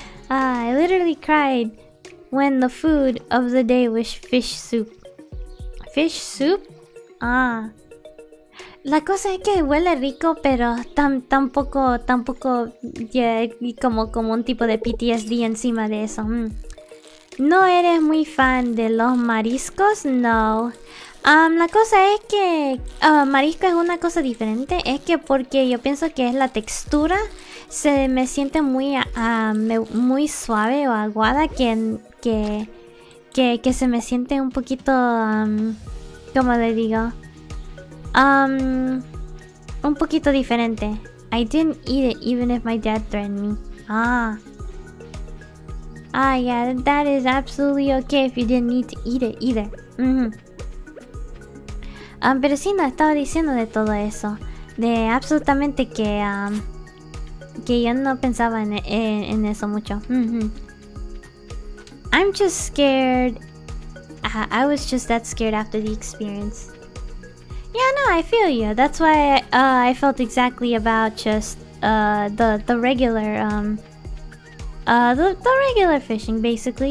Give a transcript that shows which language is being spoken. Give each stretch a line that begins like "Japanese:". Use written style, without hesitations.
English: I literally cried when the food of the day was fish soup. Fish soup? Ah.
Spanish: La cosa es que huele rico, pero tampoco, como un tipo de PTSD encima de eso. ¿No eres muy fan de los mariscos? No. La cosa es que marisco es una cosa diferente. Es que porque yo pienso que es la textura, se me siente muy suave o aguada, que se me siente un poquito, ¿cómo le digo? Un poquito diferente.
English: I didn't eat it even if my dad threatened me. Ah. Ah, yeah, that is absolutely okay if you didn't need to eat it either.
Spanish: Pero sí, no, estaba diciendo de todo eso. De absolutamente que yo no pensaba en eso mucho.
English: I'm just scared. I was just that scared after the experience. Yeah, no, I feel you. That's why I felt exactly about just the regular the regular fishing, basically.